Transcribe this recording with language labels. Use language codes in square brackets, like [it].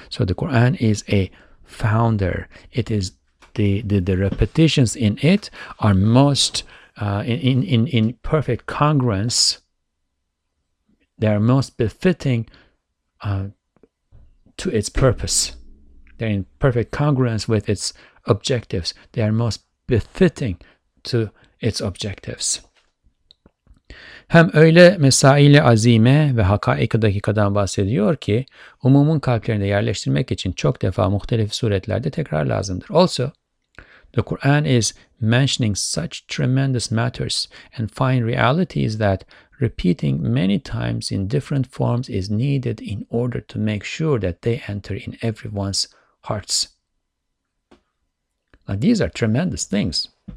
[en] So the Quran is a founder. It is the repetitions in it are most in perfect congruence. They are most befitting to its purpose. They're in perfect congruence with its objectives. They are most befitting to its objectives. [tr] Hem öyle mesaili azime ve hakaiki dakikadan bahsediyor ki umumun kalplerinde yerleştirmek için çok defa muhtelif suretlerde tekrar lazımdır. [en] Also, the Quran is mentioning such tremendous matters and fine realities that repeating many times in different forms is needed in order to make sure that they enter in everyone's hearts. Now, these are tremendous things.